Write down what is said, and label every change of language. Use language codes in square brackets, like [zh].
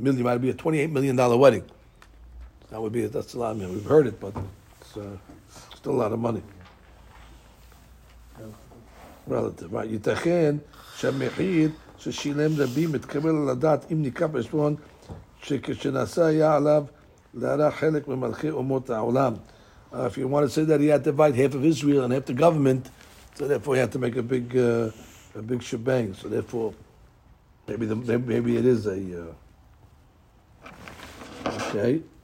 [en] It would be a $28 million wedding. That would be, that's a lot of money. We've heard it, but it's still a lot of money. Relative, right? [he] ייתכן שהמחיר ששילם רבי מתקבל על הדעת אם ניקח בחשבון שכשנעשה היה עליו לארח חלק ממלכי אומות העולם. [en] If you want to say that he had to divide half of Israel and half the government, so therefore he had to make a big a big shebang. So therefore, maybe it is a okay.